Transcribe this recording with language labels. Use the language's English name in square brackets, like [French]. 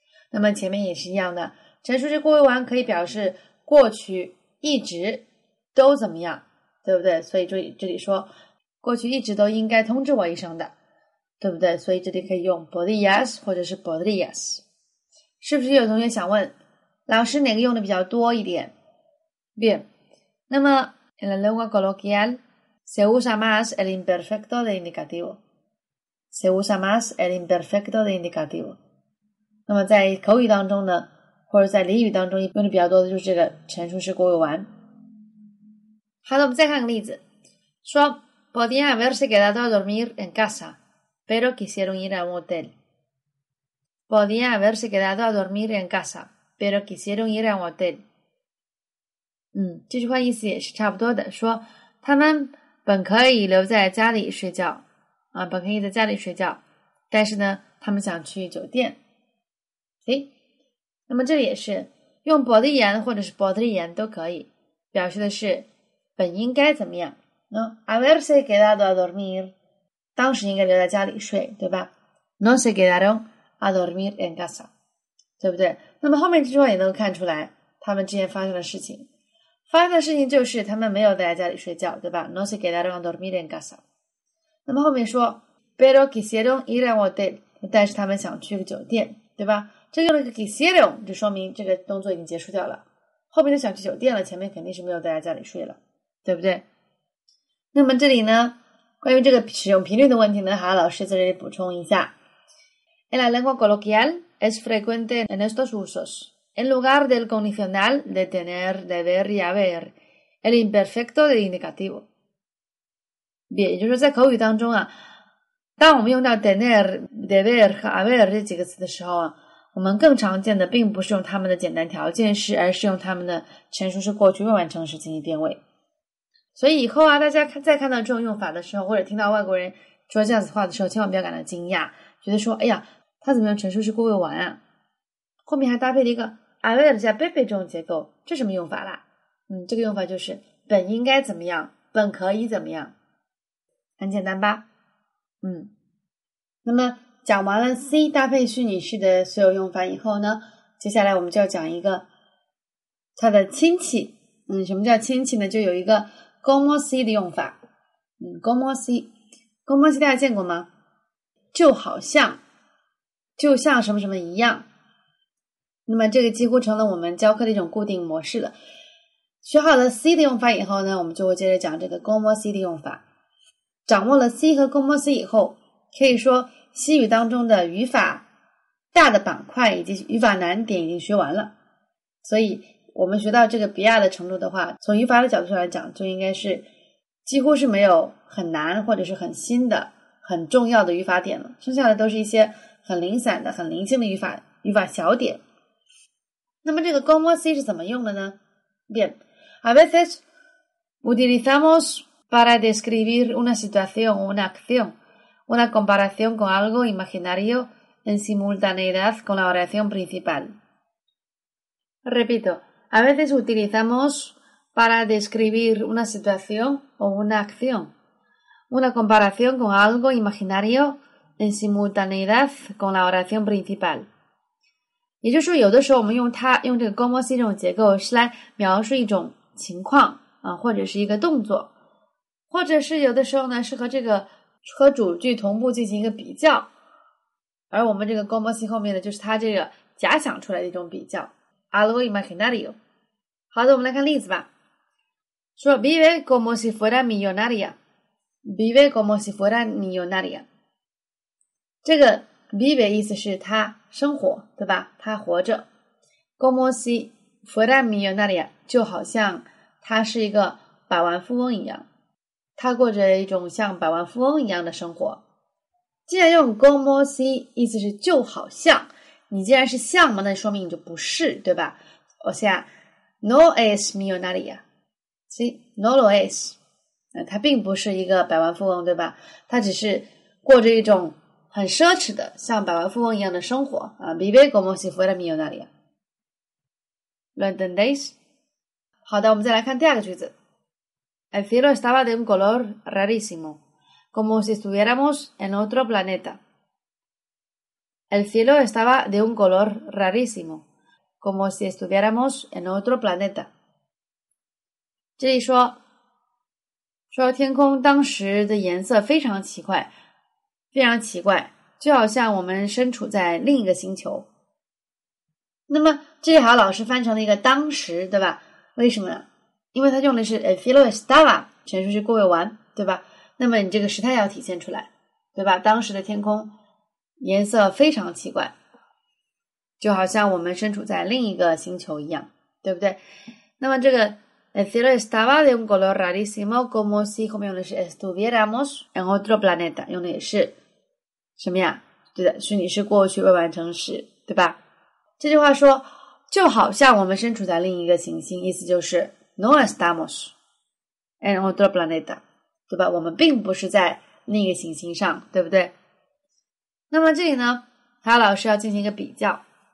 [Chinese] 那么前面也是一样的，陈述式过未完可以表示过去一直都怎么样。对不对？所以这里说过去一直都应该通知我一声的，对不对？所以这里可以用 podrías 或者是 podrías。是不是有同学想问老师哪个用的比较多一点？ [Spanish] Bien， 那么 en la lengua coloquial se usa más el imperfecto de indicativo， se usa más el imperfecto de indicativo。 [Chinese] 那么在口语当中呢，或者在俚语当中用的比较多的就是这个陈述式过未完。好的，我们再看个例子，说 [Spanish] podían haberse quedado a dormir en casa pero quisieron ir a un hotel， podían haberse quedado a dormir en casa pero quisieron ir a un hotel。 [Chinese] 这句话意思也是差不多的，说他们本可以留在家里睡觉啊，本可以在家里睡觉，但是呢他们想去酒店。行，那么这里也是用 podían 或者是 podrían 都可以，表示的是本应该怎么样？ [Spanish] No haberse quedado a dormir， [Chinese] 当时应该留在家里睡，对吧 ？ [Spanish] No se quedaron a dormir en casa， [Chinese] 对不对？那么后面这句话也能看出来，他们之间发生的事情。发生的事情就是他们没有在家里睡觉，对吧 ？ [Spanish] No se quedaron a dormir en casa。 [Chinese] 那么后面说 ， [Spanish] pero quisieron ir a un hotel， [Chinese] 但是他们想去个酒店，对吧？这用了个 quisieron， 就说明这个动作已经结束掉了。后面就想去酒店了，前面肯定是没有在家里睡了。对不对？那么这里呢，关于这个使用频率的问题呢，还要老师在这里补充一下。 [Spanish] En la lengua coloquial es frecuente en estos usos. En lugar del condicional de tener, deber y haber, el imperfecto del indicativo. Bien, [Chinese] 也就是说在口语当中啊，当我们用到 tener, deber 和 haber 这几个词的时候啊，我们更常见的并不是用他们的简单条件式，而是用他们的陈述式过去未完成时进行变位。所以以后啊，大家看再看到这种用法的时候，或者听到外国人说这样子话的时候，千万不要感到惊讶，觉得说哎呀，他怎么用陈述式过未完啊，后面还搭配了一个 aver 加 be 这种结构，这什么用法啦？嗯，这个用法就是本应该怎么样，本可以怎么样，很简单吧。嗯，那么讲完了 C 搭配虚拟式的所有用法以后呢，接下来我们就要讲一个它的亲戚。嗯，什么叫亲戚呢？就有一个 como si 的用法。嗯， como si， como si 大家见过吗？就好像，就像什么什么一样。那么这个几乎成了我们教课的一种固定模式了。学好了 C 的用法以后呢，我们就会接着讲这个 como si 的用法。掌握了 C 和 como si 以后，可以说西语当中的语法大的板块以及语法难点已经学完了。所以我们学到这个比亚的程度的话，从语法的角度上来讲，就应该是几乎是没有很难或者是很新的很重要的语法点了，剩下的都是一些很零散的很零星的语法小点。那么这个 como si 是怎么用的呢？ [Spanish] bien a veces utilizamos para describir una situación o una acción una comparación con algo imaginario en simultaneidad con la oración principal. Repito,A veces utilizamos para describir una situación o una acción, una comparación con algo imaginario en simultaneidad con la oración principal. [Chinese] 也就是说，有的时候我们用它，用这个 como si 这种结构是来描述一种情况啊，或者是一个动作，或者是有的时候呢是和这个和主句同步进行一个比较，而我们这个 como si 后面的就是它这个假想出来的一种比较。 [Spanish] Algo imaginario. [Chinese] 好的，我们来看例子吧。 [Spanish] 说 vive como si fuera millonaria. Vive como si fuera millonaria. [Chinese] 这个 vive 意思是他生活，对吧？他活着。 [Spanish] Como si fuera millonaria， [Chinese] 就好像他是一个百万富翁一样，他过着一种像百万富翁一样的生活。既然用 como si， 意思是就好像。你既然是像嘛，那说明你就不是，对吧？我想 ， [Spanish] no es millonaria， sí， no lo es， [Chinese] 他并不是一个百万富翁，对吧？他只是过着一种很奢侈的，像百万富翁一样的生活啊。 [Spanish] Vive como si fuera millonaria， ¿lo entendéis？ [Chinese] 好的，我们再来看第二个句子。 [Spanish] El cielo estaba de un color rarísimo， como si estuviéramos en otro planeta。 El cielo estaba de un color rarísimo, como si estuviéramos en otro planeta. [Chinese] 这里说天空当时的颜色非常奇怪，非常奇怪，就好像我们身处在另一个星球。那么这里好老师翻成了一个当时，对吧？为什么呢？因为它用的是 [Spanish] el cielo estaba， [Chinese] 陈述是过未完，对吧？那么你这个时态要体现出来，对吧？当时的天空颜色非常奇怪，就好像我们身处在另一个星球一样，对不对？那么这个 [Spanish] el cielo estaba de un color rarísimo como si [Chinese] 后面用的是 [Spanish] estuviéramos en otro planeta， [Chinese] 用的也是什么呀？对的，虚拟式过去未完成时，对吧？这句话说就好像我们身处在另一个行星，意思就是 [Spanish] no estamos en otro planeta， [Chinese] 对吧？我们并不是在另一个行星上，对不对？那么这里呢，海老师要进行一个比较。